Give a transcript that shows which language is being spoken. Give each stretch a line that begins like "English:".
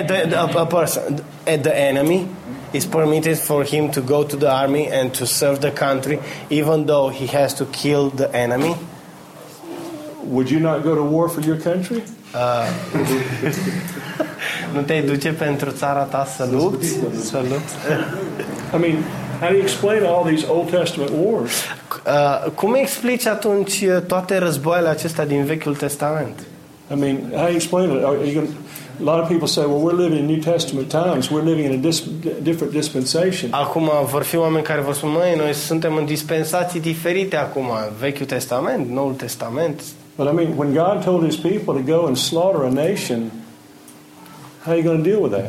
English: The enemy is permitted for him to go to the army and to serve the country, even though he has to kill the enemy. Would you not go to war for your country?
Romanian: Nu te-ai duce pentru țara ta să lupți? Să lupți?
English: I mean, how do you explain all these Old Testament wars?
Romanian: Cum explici atunci toate războaiele acestea din Vechiul Testament?
English: I mean, how do you explain it? A lot of people say, well, we're living in New Testament times. We're living in a different dispensation.
Romanian: Acum vor fi oameni care vor spune, noi suntem în dispensații diferite acum, Vechiul Testament, Noul Testament.
English: But I mean, when God told his people to go and slaughter a nation, how are you going to deal with that?